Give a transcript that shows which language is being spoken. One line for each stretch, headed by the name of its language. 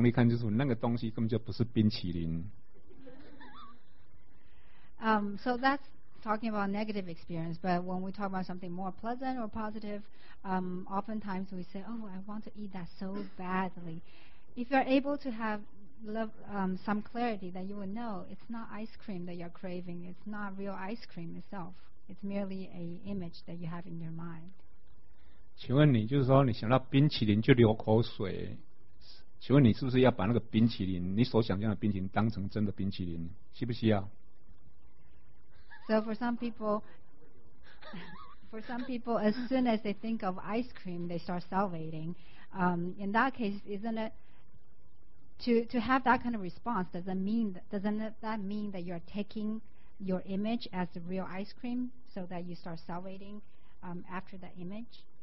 Chinese: 同样的哈，这是负面的，正面的说，想吃，你也没有能力看清楚那个东西根本就不是冰淇淋。
English: So that's talking about negative experience, but when we talk about something more pleasant or positive, oftentimes we say, oh, I want to eat that so badly. If you're able to have some clarity, then you will know it's not ice cream that you're craving. It's not real ice cream itself. It's merely an image that you have in your mind.
Chinese: 请问你，就是说你想到冰淇淋就流口水，请问你是不是要把那个冰淇淋，你所想象的冰淇淋当成真的冰淇淋，需不需要？
English: So for some people, as soon as they think of ice cream, they start salivating. In that case, isn't it to have that kind of response? Doesn't that mean that you're taking your image as the real ice cream, so that you start salivating after that image?